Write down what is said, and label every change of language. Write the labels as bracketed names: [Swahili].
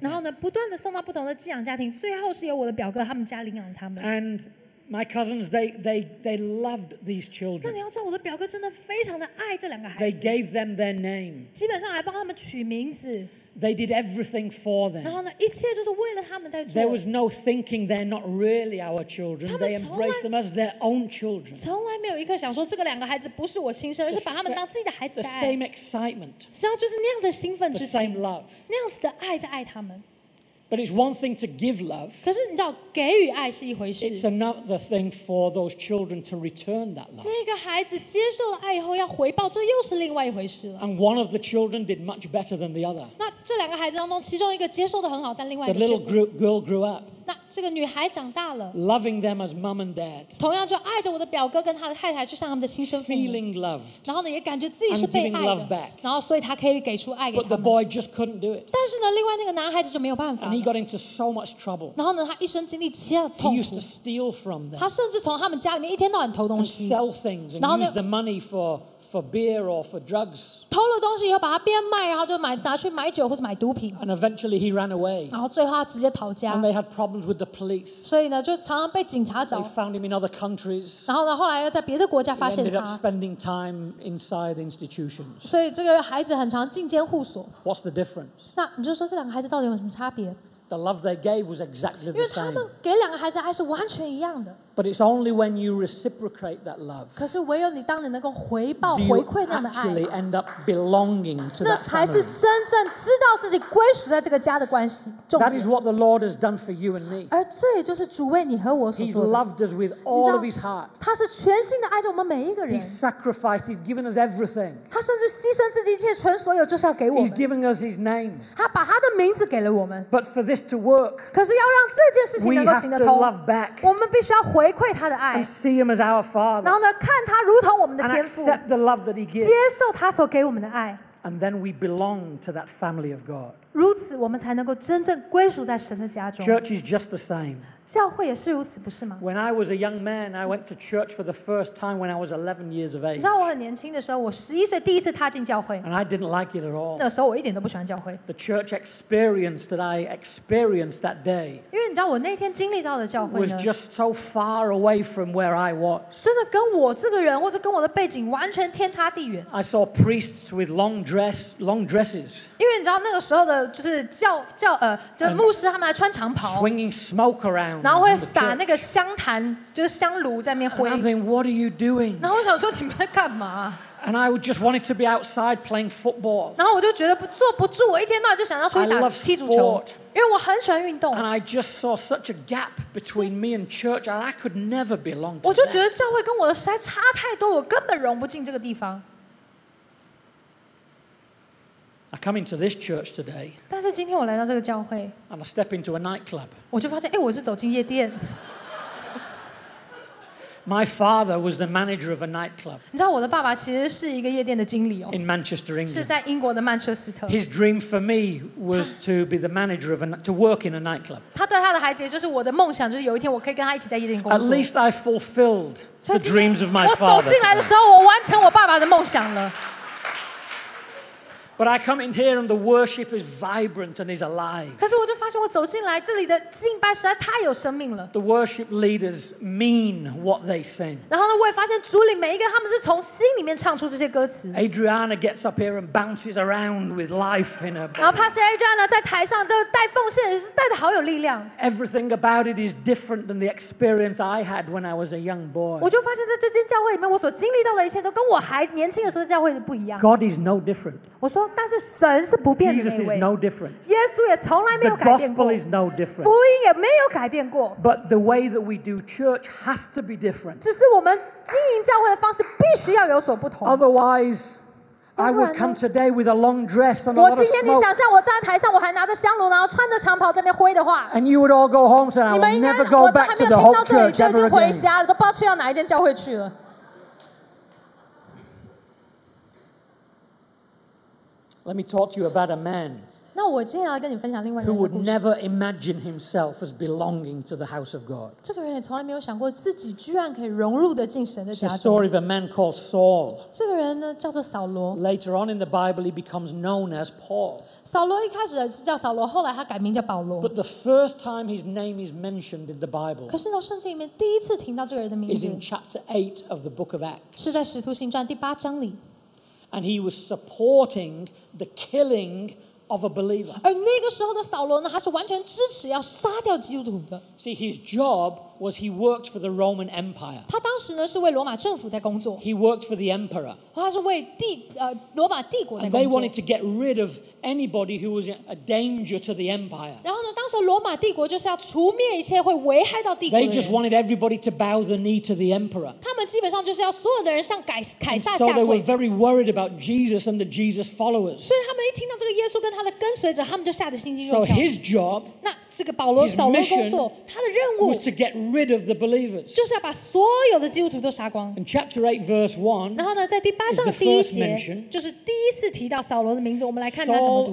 [Chinese] 然后呢，不断的送到不同的寄养家庭，最后是由我的表哥他们家领养他们。 [English] And my cousins, they loved these children. [Chinese] 那你要知道，我的表哥真的非常的爱这两个孩子。 [English] They gave them their name. [Chinese] 基本上还帮他们取名字。 [English] They did everything for them. [Chinese] 然后呢，一切就是为了他们在做。 [English] There was no thinking they're not really our children. They embraced them as their own children. [Chinese] 从来没有一刻想说这个两个孩子不是我亲生，而是把他们当自己的孩子。 [English] The same excitement. [Chinese] 只要就是那样的兴奋之情。 [English] The same love. [Chinese] 那样子的爱在爱他们。 [English] But it's one thing to give love. [Chinese] 可是你知道，给予爱是一回事。 [English] It's another thing for those children to return that love. [Chinese] 那个孩子接受了爱以后要回报，这又是另外一回事了。 [English] And one of the children did much better than the other. [Chinese] 那这两个孩子当中，其中一个接受的很好，但另外一个。 [English] The little girl grew up. [Chinese] 那这个女孩长大了。 [English] Loving them as mum and dad. [Chinese] 同样就爱着我的表哥跟他的太太，就像他们的亲生父母。 [English] Feeling loved. [Chinese] 然后呢，也感觉自己是被爱的。 [English] And giving love back. [Chinese] 然后所以他可以给出爱给他们。 [English] But the boy just couldn't do it. [Chinese] 但是呢，另外那个男孩子就没有办法。 [English] He got into so much trouble. [Chinese] 然后呢，他一生经历极大的痛苦。 [English] He used to steal from them. [Chinese] 他甚至从他们家里面一天到晚偷东西。 [English] And sell things and use the money for beer or for drugs. [Chinese] 偷了东西以后把它变卖，然后就买拿去买酒或者买毒品。 [English] And eventually he ran away. [Chinese] 然后最后他直接逃家。 [English] And they had problems with the police. [Chinese] 所以呢，就常常被警察找。 [English] They found him in other countries. [Chinese] 然后呢，后来又在别的国家发现他。 [English] He ended up spending time inside institutions. [Chinese] 所以这个孩子很常进监护所。 [English] What's the difference? [Chinese] 那你就说这两个孩子到底有什么差别？ [English] the love they gave was exactly the same. [Chinese] 因为他们给两个孩子爱是完全一样的。 [English] But it's only when you reciprocate that love. [Chinese] 可是唯有你当你能够回报回馈那样的爱。 [English] Do you actually end up belonging to that family? [Chinese] 那才是真正知道自己归属在这个家的关系。 [English] That is what the Lord has done for you and me. [Chinese] 而这也就是主为你和我所做的。 [English] He's loved us with all of His heart. [Chinese] 他是全心的爱着我们每一个人。 [English] He sacrificed. He's given us everything. [Chinese] 他甚至牺牲自己一切全所有，就是要给我们。 [English] He's giving us His name. [Chinese] 他把他的名字给了我们。 [English] But for this to work, [Chinese] 可是要让这件事情能够行得通， [English] we have to love back. [Chinese] 我们必须要回馈他的爱， [English] and see him as our father, [Chinese] 然后呢看他如同我们的天父， [English] and accept the love that he gives, [Chinese] 接受他所给我们的爱， [English] and then we belong to that family of God. [Chinese] 如此我们才能够真正归属在神的家中。 [English] Church is just the same. [Chinese] 教会也是如此，不是吗？ [English] When I was a young man, I went to church for the first time when I was 11 years of age. [Chinese] 你知道我很年轻的时候，我11岁第一次踏进教会， [English] and I didn't like it at all. [Chinese] 那时候我一点都不喜欢教会。 [English] The church experience that I experienced that day, [Chinese] 因为你知道我那天经历到的教会呢， [English] was just so far away from where I was. [Chinese] 真的跟我这个人或者跟我的背景完全天差地远。 [English] I saw priests with long dresses. [Chinese] 因为你知道那个时候的就是牧师他们还穿长袍， [English] swinging smoke around. [Chinese] 然后会撒那个香坛，就是香炉在那边挥。 [English] I'm thinking, what are you doing? [Chinese] 然后我想说你们在干嘛？ [English] And I just wanted to be outside playing football. [Chinese] 然后我就觉得坐不住，我一天到晚就想要出去打踢足球。因为我很喜欢运动。 [English] And I just saw such a gap between me and church, and I could never belong to that. [Chinese] 我就觉得教会跟我的实在差太多，我根本融不进这个地方。 [English] I come into this church today. [Chinese] 但是今天我来到这个教会。 [English] And I step into a nightclub. [Chinese] 我就发现，我是走进夜店。 [English] My father was the manager of a nightclub. [Chinese] 你知道我的爸爸其实是一个夜店的经理哦。 [English] In Manchester, England. [Chinese] 是在英国的曼彻斯特。 [English] His dream for me was to be the manager of a to work in a nightclub. [Chinese] 他对他的孩子，也就是我的梦想，就是有一天我可以跟他一起在夜店工作。 [English] At least I fulfilled the dreams of my father. [Chinese] 我走进来的时候，我完成我爸爸的梦想了。 [English] But I come in here and the worship is vibrant and is alive. [Chinese] 可是我就发现我走进来这里的敬拜实在太有生命了。 [English] The worship leaders mean what they sing. [Chinese] 然后呢，我也发现主里每一个他们是从心里面唱出这些歌词。 [English] Adriana gets up here and bounces around with life in her body. [Chinese] 然后 Pastor Adriana 在台上就带奉献，也是带的好有力量。 [English] Everything about it is different than the experience I had when I was a young boy. [Chinese] 我就发现在这间教会里面，我所经历到的一切都跟我还年轻的时候的教会不一样。 [English] God is no different. [Chinese] 我说。但是神是不变的那位。 [English] Jesus is no different. [Chinese] 耶稣也从来没有改变过。 [English] The gospel is no different. [Chinese] 福音也没有改变过。 [English] But the way that we do church has to be different. [Chinese] 只是我们经营教会的方式必须要有所不同。 [English] Otherwise, I would come today with a long dress and a lot of smoke. [Chinese] 我今天你想象我站在台上，我还拿着香炉，然后穿着长袍在那边挥的话。 [English] And you would all go home and say, "I will never go back to the Hope Church ever again." [Chinese] 你们应该，我都还没有听到这里，就已经回家了，都不知道去到哪一间教会去了。 [English] Let me talk to you about a man who would never imagine himself as belonging to the house of God. [Chinese] 这个人也从来没有想过自己居然可以融入的进神的家中。 [English] It's a story of a man called Saul. [Chinese] 这个人呢叫做扫罗。 [English] Later on in the Bible, he becomes known as Paul. [Chinese] 扫罗一开始是叫扫罗，后来他改名叫保罗。 [English] But the first time his name is mentioned in the Bible, [Chinese] 可是呢，圣经里面第一次听到这个人的名字 [English] is in chapter 8 of the book of Acts. [Chinese] 是在《使徒行传》第八章里。 [English] And he was supporting the killing of a believer. [Chinese] 而那个时候的扫罗呢，他是完全支持要杀掉基督徒的。 [English] See, his job was he worked for the Roman Empire. [Chinese] 他当时呢是为罗马政府在工作。 [English] He worked for the emperor. [Chinese] 他是为罗马帝国在工作。 [English] And they wanted to get rid of anybody who was a danger to the empire. [Chinese] 然后呢，当时罗马帝国就是要除灭一切会危害到帝国的人。 [English] They just wanted everybody to bow the knee to the emperor. [Chinese] 他们基本上就是要所有的人向凯撒下跪。 [English] And so they were very worried about Jesus and the Jesus followers. [Chinese] 所以他们一听到这个耶稣跟他的跟随者，他们就吓得心惊肉跳。 [English] So his job. [Chinese] 那这个保罗扫罗工作，他的任务 [English] was to get rid of the believers. [Chinese] 就是要把所有的基督徒都杀光。 [English] In chapter 8 verse 1. [Chinese] 然后呢，在第八章第一节，就是第一次提到扫罗的名字。我们来看他怎么读。